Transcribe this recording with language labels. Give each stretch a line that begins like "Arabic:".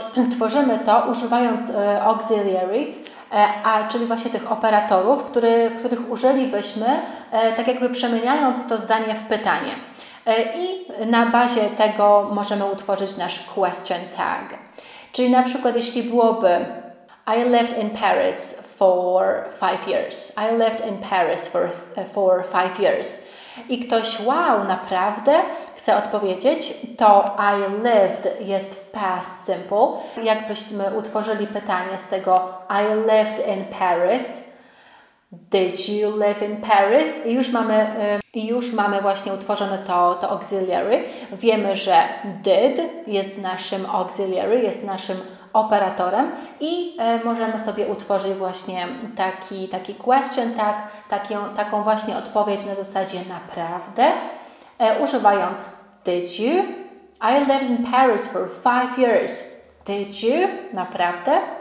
Polish: Tworzymy to używając auxiliaries, czyli właśnie tych operatorów, których użylibyśmy, tak jakby przemieniając to zdanie w pytanie. I na bazie tego możemy utworzyć nasz question tag. Czyli na przykład jeśli byłoby
English: I lived in Paris for 5 years. I lived in Paris for 5 years.
Polish: I ktoś, wow, naprawdę chce odpowiedzieć, to I lived jest w past simple. Jakbyśmy utworzyli pytanie z tego
English: I lived in Paris. Did you live in Paris?
Polish: I już mamy właśnie utworzone to auxiliary. Wiemy, że did jest naszym auxiliary, jest naszym operatorem i możemy sobie utworzyć właśnie taki question tag, taką właśnie odpowiedź na zasadzie naprawdę, używając
English: did you? I lived in Paris for 5 years. Did you?
Polish: Naprawdę?